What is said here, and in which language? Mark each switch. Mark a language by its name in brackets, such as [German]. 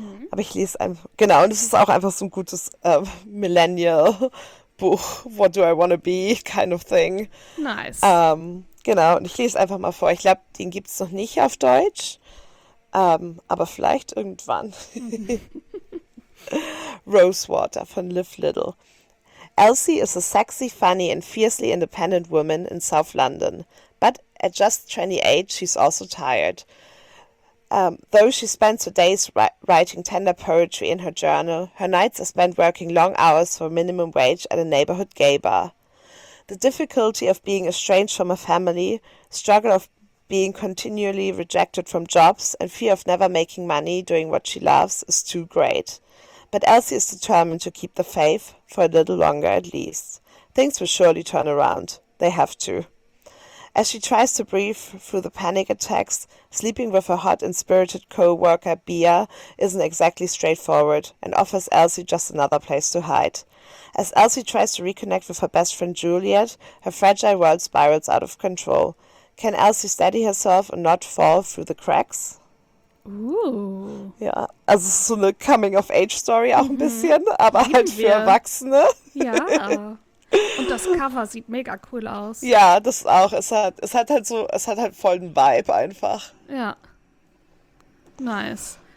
[German] Aber ich lese einfach, genau, und es ist auch einfach so ein gutes Millennial-Buch, [English] What Do I Wanna Be, kind of thing. [German] Nice. Genau, und ich lese einfach mal vor. Ich glaube, den gibt es noch nicht auf Deutsch, aber vielleicht irgendwann. Rosewater von Liv Little. [English] Elsie is a sexy, funny and fiercely independent woman in South London. But at just 28, she's also tired. Though she spends her days writing tender poetry in her journal, her nights are spent working long hours for minimum wage at a neighborhood gay bar. The difficulty of being estranged from a family, struggle of being continually rejected from jobs, and fear of never making money doing what she loves is too great. But Elsie is determined to keep the faith for a little longer at least. Things will surely turn around. They have to. As she tries to breathe through the panic attacks, sleeping with her hot and spirited co-worker Bia isn't exactly straightforward and offers Elsie just another place to hide. As Elsie tries to reconnect with her best friend Juliet, her fragile world spirals out of control. Can Elsie steady herself and not fall through the cracks? Ooh. [German] Ja, also es ist so eine Coming-of-Age-Story auch ein bisschen, aber halt für wir. Erwachsene. Ja. Und das Cover sieht mega cool aus. Ja, das auch. Es hat halt voll den Vibe einfach. Ja. Nice.